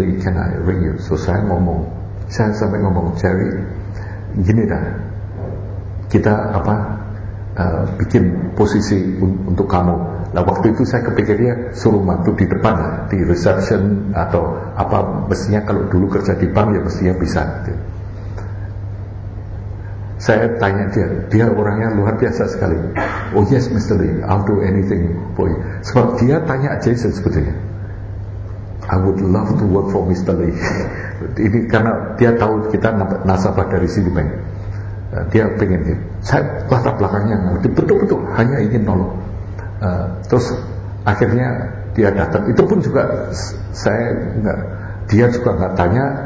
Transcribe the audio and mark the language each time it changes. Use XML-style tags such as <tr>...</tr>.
<id>Lee,</id> <en>can I ring you?</en> <id>So saya ngomong, saya sampai ngomong Cherry, gini dah, kita apa bikin posisi untuk kamu. Lah waktu itu saya kepikir dia suruh mantu di depan lah, di reception atau apa, mestinya kalau dulu kerja di bank ya mestinya bisa gitu. Saya tanya dia orangnya luar biasa sekali.</id> <en>Oh yes Mr. Lee, I'll do anything for you.</en> <id>Sebab dia tanya Jason sebetulnya,</id> <en>I would love to work for Mr. Lee.</en> <id>Ini karena dia tahu kita nasabah dari Citibank. Dia pengen gitu. Saya latar belakangnya betul-betul hanya ingin nolong. Terus akhirnya dia datang. Itu pun juga saya enggak, dia juga enggak tanya.</id>